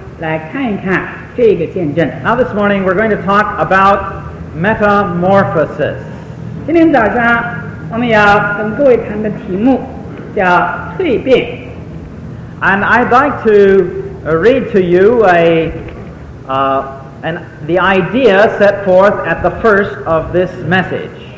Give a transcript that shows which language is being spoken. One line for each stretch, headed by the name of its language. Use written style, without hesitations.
English: Now this morning, we're going to talk about Metamorphosis.
Chinese: 今天早上我们要跟各位谈的题目叫蜕变。
English: And I'd like to read to you the idea set forth at the first of this message.